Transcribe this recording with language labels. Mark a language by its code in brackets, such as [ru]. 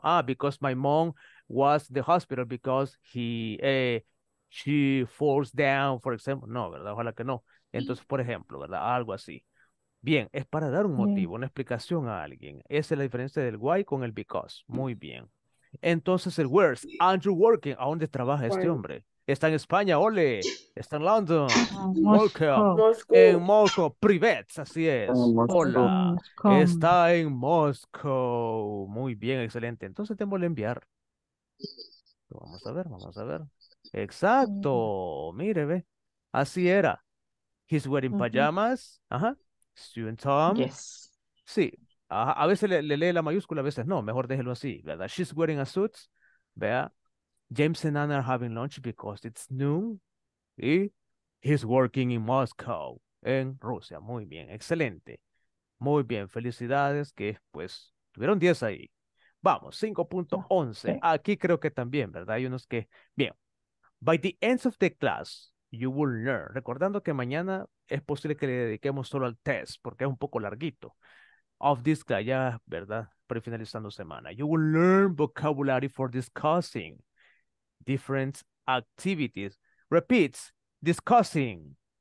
[en] Ah, because my mom was the hospital because she falls down, for example. [es] No, ¿verdad? Ojalá que no. Entonces, por ejemplo, ¿verdad? Algo así. Bien, es para dar un motivo, una explicación a alguien. Esa es la diferencia del why con el because. Muy bien. Entonces, el [en] where's Andrew working? [es] ¿A dónde trabaja este hombre? Está en España, ole. Está en London. Moscú. En Moscú. Privet, así es. Hola. Está en Moscú. Muy bien, excelente. Entonces tengo que enviar. Vamos a ver. Exacto. Mire, ve. Así era. [en] He's wearing pajamas. Ajá. Sue and Tom. Yes. [es] Sí. Ajá. A veces le lee la mayúscula, a veces no. Mejor déjelo así, ¿verdad? [en] She's wearing a suit. [es] Vea. [en] James and Anna are having lunch because it's noon. Y he's working in Moscow, [es] en Rusia. Muy bien, excelente. Muy bien, felicidades que, pues, tuvieron 10 ahí. Vamos, 5.11. Okay. Aquí creo que también, ¿verdad? Hay unos que... Bien. [en] By the end of the class, you will learn. [es] Recordando que mañana es posible que le dediquemos solo al test, porque es un poco larguito. [en] Of this class, ya, ¿verdad? [es] Pero finalizando semana. [en] You will learn vocabulary for discussing. Different activities. Repeats. Discussing.